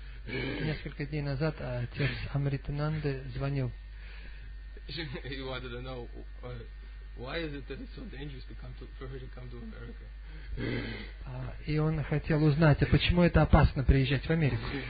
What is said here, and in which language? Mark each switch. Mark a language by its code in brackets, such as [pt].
[ru] несколько дней назад отец Амритананды звонил. [en] He wanted to know why is it that it's so dangerous to come to, for her to come to America. [ru] И он хотел узнать, а почему это опасно приезжать в Америку?